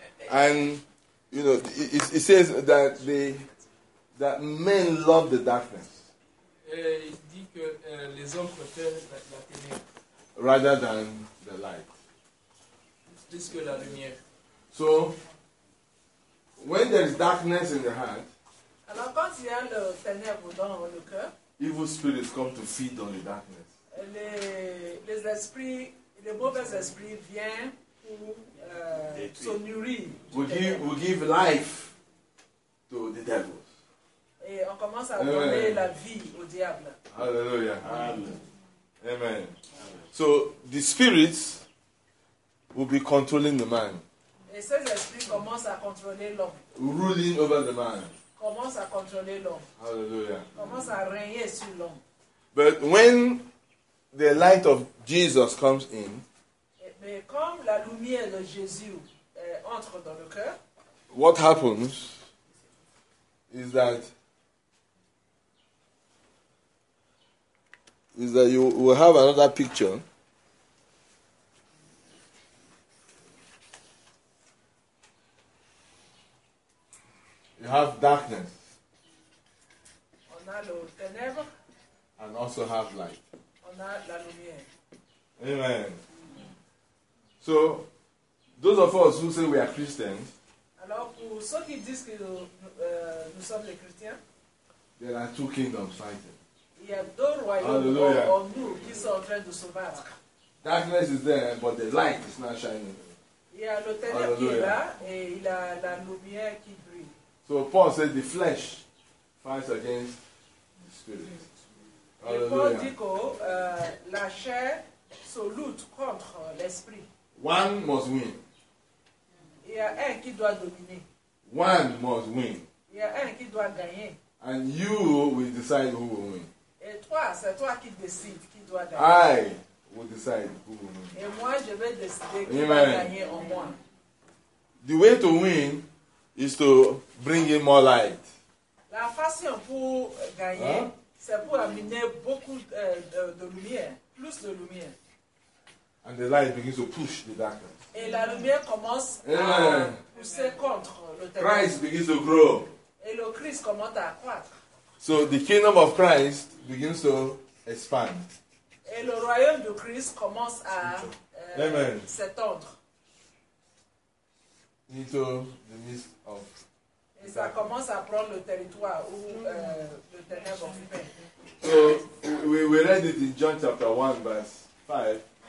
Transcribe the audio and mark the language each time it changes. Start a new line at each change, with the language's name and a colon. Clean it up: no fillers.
English: And you know, it says that that men love the darkness.
French: Il dit que les hommes préfèrent la ténèbre.
English: Rather than the light.
French: Plus que la lumière.
English: So when there is darkness in the heart.
French: Alors quand il y a le ténèbre dans le cœur.
English: Evil spirits come to feed on the darkness.
French: Les mauvais esprits viennent pour se nourrir.
English: We give life to the devils.
French: Et on commence à donner la vie au diable. Hallelujah. Amen.
English: Amen. So the spirits will be controlling the man.
French: Et ces esprits commencent à contrôler l'homme.
English: Ruling over the man.
French: Commence à contrôler l'homme. Hallelujah. Commence à régner sur l'homme.
English: But when the light of Jesus comes in,
French: mais comme la lumière de Jésus entre dans le cœur,
English: what happens is that you will have another picture. You have darkness.
French: On a le ténèbre.
English: And also have light.
French: On a la lumière. Amen.
English: So, those of us who say we are Christians.
French: Alors, pour ceux qui disent que nous sommes les chrétiens.
English: There are two kingdoms fighting.
French: Il y a deux royaumes en nous qui sont en train de se battre.
English: Darkness is there, but the light is not shining.
French: Il y a le ténèbre qui est là, et il a la lumière qui brille.
English: So Paul says the flesh fights against the spirit.
French: Paul dit que la chair se lutte contre l'esprit.
English: One must win.
French: Il y a un qui doit dominer.
English: One must win.
French: Il y a un qui doit gagner.
English: And you will decide who will win.
French: Et toi, c'est toi qui décides qui doit gagner.
English: I will decide who will win.
French: Et moi, je vais décider qui va gagner en moi.
English: The way to win is to bring in more light.
French: La façon pour gagner, c'est pour amener beaucoup de lumière, plus de lumière.
English: And the light begins to push the darkness.
French: Et la lumière commence à pousser contre le ténèbre.
English: Christ begins to grow.
French: Et le Christ commence à croître.
English: So the kingdom of Christ begins to expand.
French: Et le royaume de Christ commence à s'étendre.
English: Into the midst of.
French: Et ça commence à prendre le territoire où le ténèbre occupe.
English: So we read it in John chapter 1, verse 5.